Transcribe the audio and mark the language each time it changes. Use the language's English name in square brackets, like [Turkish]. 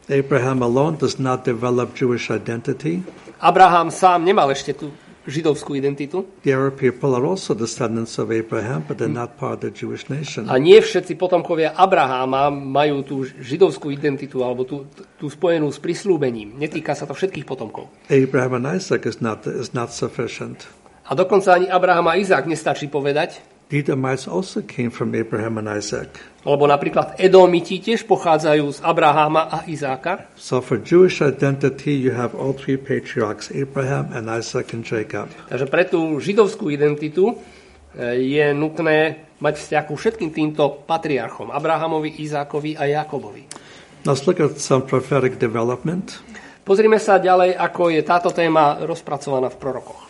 [English] Abraham alone does not develop Jewish identity. [Slovak] Abraham sám nemal ešte tú židovskú identitu. [English] The Arab people are also descendants of Abraham, but they're not part of the Jewish nation. [Slovak] A nie všetci potomkovia Abraháma majú tú židovskú identitu alebo tú spojenú s prisľúbením. Netýka sa to všetkých potomkov. [English] Abraham and Isaac is not sufficient. [Slovak] A dokonca ani Abraham a Izák nestačí povedať. [English] The Edomites also came from Abraham and Isaac. [Slovak] Alebo napríklad Edomiti tiež pochádzajú z Abraháma a Izáka. [English] So for Jewish identity you have all 3 patriarchs, Abraham and Isaac and Jacob. [Slovak] Takže pre tú židovskú identitu je nutné mať vzťah ku všetkým týmto patriarchom, Abrahamovi, Izákovi a Jakobovi. [English] Now look at some prophetic development. [Slovak] Pozrime sa ďalej, ako je táto téma rozpracovaná v prorokoch.